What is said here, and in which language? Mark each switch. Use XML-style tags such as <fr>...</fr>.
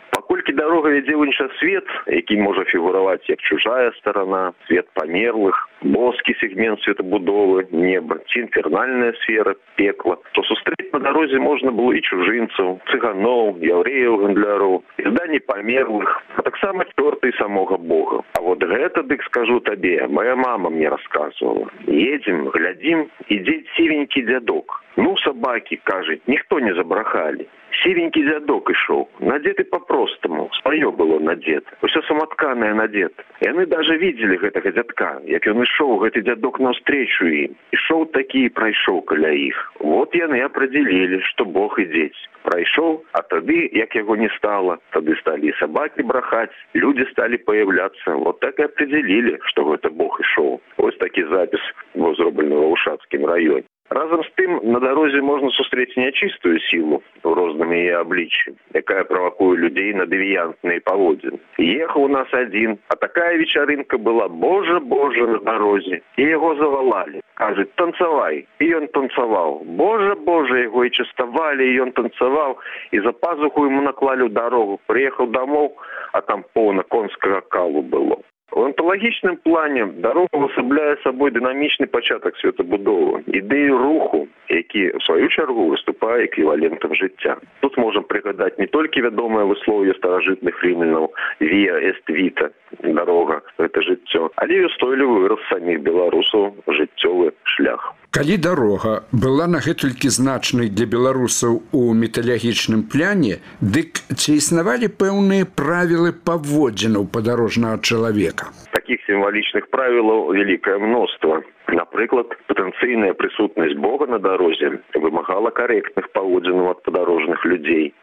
<be>Паколькі дарога вядзе ў іншы свет, які можа фігураваць як чужая старана, свет памерлых, боскі сегмент светабудовы, неба ці інфернальная сфера, пекла, то сустрэць на дарозе можна было і чужынцаў, цыганоў, яўрэяў, гандляроў, і здані памерлых, а таксама чорта і самога Бога. А вот гэта, дык скажу табе, мая мама мне расказвала. Едзем, глядзім, ідзе сівенькі дзядок. Ну, сабакі, кажуць, ніхто не забрахалі. Сівенькі дзядок ішоў, надзеты па-простаму, спаё было надзета, усё саматканае надзета. Яны даже видзелі гэтага дзядка, як ён ішоў, гэты дзядок наўстрэчу ім. Ішоў такі і прайшоў каля іх. Вот яны апрадзелілі, што Бог і дзець. Прайшоў, а тады, як яго не стала, тады сталі і сабакі брахаць, людзі сталі паявляцца. Вот так і апрадзелілі, што гэта Бог ішоў. Вось такі запіс быў зроблены ва Ушацкім раёне. Разам з тым, на дарозе можна сустрэць нячыстую сілу ў розным яе абліччы, якая правакуе людзей на дэвіянтныя паводзіны. Ехаў у нас адзін, а такая вечарынка была, Божа, Божа, на дарозе. І яго завалалі, кажуць, танцавай. І ён танцаваў, Божа, Божа, яго і частавалі, і ён танцаваў. І за пазуху яму наклалі ў дарогу, прыехаў дамоў, а там поўна конскага калу было.</be> <uk>В онтологічному плані дорога уособляє собою динамічний початок світобудови, ідею руху, який в свою чергу виступає еквівалентом життя. Тут можемо пригадати не тільки відоме висловлення старожитних римлян</uk> <la>«Via est vita»</la> <uk>– «дорога – це життя», але й устойливий вираз самих білорусів – «життєвий шлях».</uk> <be>Коли дорога была нагэтулькі значной для беларусаў у металургічным плане, дык ці існавалі пэўныя правілы паводзінаў падарожнага чалавека? Таких символічных правілаў вялікае мноства. Напрыклад, патэнцыйная прысутнасць Бога на дарозе вымагала карэктных паводзінаў ад падарожных людзей.</be>